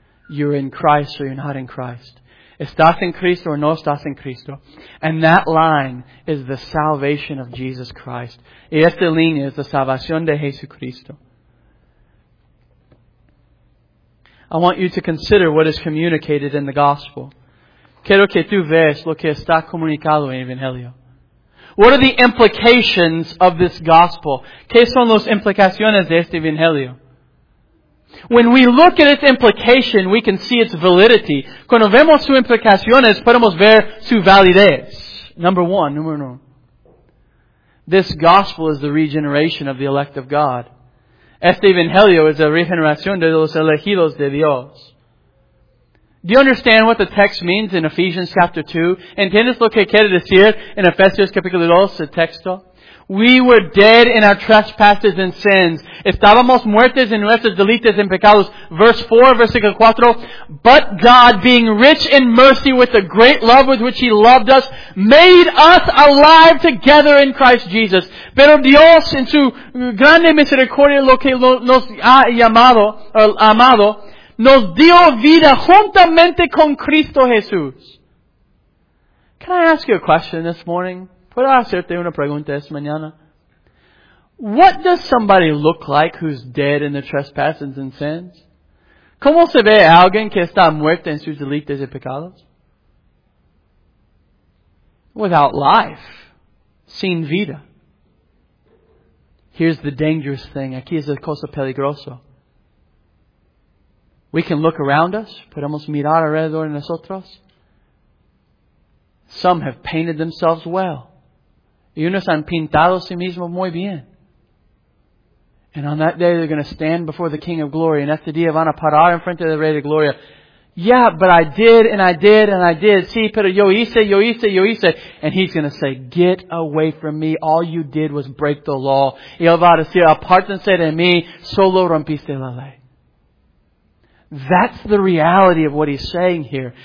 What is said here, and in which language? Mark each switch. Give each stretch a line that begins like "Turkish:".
English: You're in Christ or you're not in Christ.
Spanish: Estás en Cristo or no estás en Cristo.
English: And that line is the salvation of Jesus Christ.
Spanish: Y esta línea es la salvación de Jesucristo.
English: I want you to consider what is communicated in the gospel.
Spanish: Quiero que tú veas lo que está comunicado en el evangelio.
English: What are the implications of this gospel?
Spanish: ¿Qué son las implicaciones de este evangelio?
English: When we look at its implication, we can see its validity.
Spanish: Cuando vemos sus implicaciones, podemos ver su validez. Número uno.
English: This gospel is the regeneration of the elect of God.
Spanish: Este evangelio es la regeneración de los elegidos de Dios.
English: Do you understand what the text means in Ephesians chapter 2?
Spanish: ¿Entiendes lo que quiere decir en Efesios capítulo 2, el texto?
English: We were dead in our trespasses and sins.
Spanish: Estábamos muertos en nuestros delitos y pecados.
English: Verse 4,
Spanish: versículo 4.
English: But God, being rich in mercy with the great love with which He loved us, made us alive together in Christ Jesus.
Spanish: Pero Dios, en su grande misericordia, lo que nos ha llamado, amado, nos dio vida juntamente con Cristo Jesús.
English: Can I ask you a question this morning?
Spanish: ¿Puedo hacerte una pregunta esta mañana?
English: What does somebody look like who's dead in the trespasses and sins?
Spanish: ¿Cómo se ve alguien que está muerto en sus delitos y pecados?
English: Without life.
Spanish: Sin vida.
English: Here's the dangerous thing.
Spanish: Aquí es la cosa peligrosa.
English: We can look around us.
Spanish: Podemos mirar alrededor de nosotros.
English: Some have painted themselves well.
Spanish: Y unos han pintado a sí mismos muy bien.
English: And on that day they're going to stand before the King of Glory. And
Spanish: este día van a parar en frente del Rey de Gloria.
English: Yeah, but I did and I did and I did.
Spanish: Sí, pero yo hice.
English: And he's going to say, get away from me. All you did was break the law.
Spanish: Y él va a decir, apártense de mí. Solo rompiste la ley.
English: That's the reality of what he's saying here.